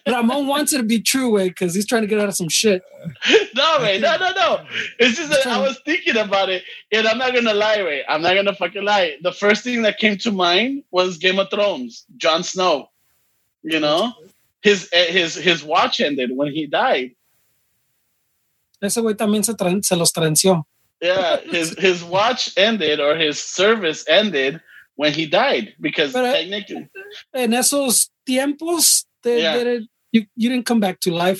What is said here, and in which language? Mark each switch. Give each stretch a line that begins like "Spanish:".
English: Ramon wants it to be true, way, because he's trying to get out of some shit. No, way, no. It's just that I was thinking about it, and I'm not gonna lie, way. I'm not gonna fucking lie. The first thing that came to mind was Game of Thrones, Jon Snow. You know, his watch ended when he died.
Spanish: Ese güey también se los transió.
English: Yeah, his watch ended, or his service ended. When he died, because technically,
Spanish: en esos tiempos,
English: you didn't come back to life.